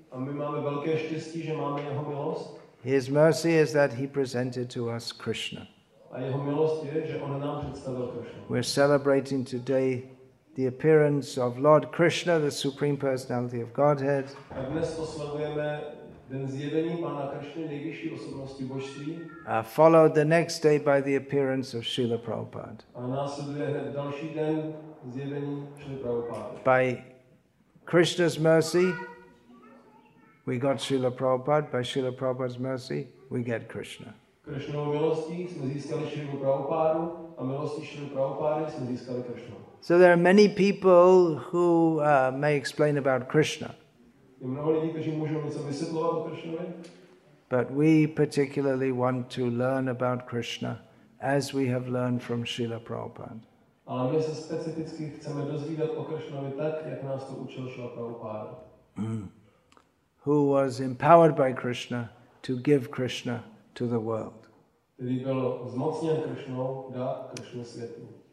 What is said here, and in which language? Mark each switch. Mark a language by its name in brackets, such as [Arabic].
[Czech] A my máme velké štěstí, že máme jeho milost. [English] His mercy is that he presented to us Krishna. [Czech] A jeho milost je, že on nám představil Krishna. [English] We're celebrating today the appearance of Lord Krishna, the supreme personality of Godhead. [Czech] A dnes oslavujeme den zjevení Pána Krishny, nejvyšší osobnosti božství. [English] Followed the next day by the appearance of Srila Prabhupada. [Czech] A následuje další den zjevení Srila Prabhupada. [English] By Krishna's mercy, we got Srila Prabhupada. By Srila Prabhupada's mercy, we get Krishna. [Czech] Krishnovou milostí jsme získali Srila Prabhupádu a milostí Srila Prabhupády jsme získali Krishna. [English] So there are many people who may explain about Krishna. [Czech] Je mnoho lidí, kteří můžou něco vysvětlovat o Krishnovi. [English] But we particularly want to learn about Krishna as we have learned from Srila Prabhupada. [Czech] Ale my se specificky chceme dozvídat o Krishnovi tak, jak nás to učil Srila Prabhupáda. [English] Who was empowered by Krishna to give Krishna to the world. [Czech] Který byl zmocněn Krishnou dát Krishnu světu.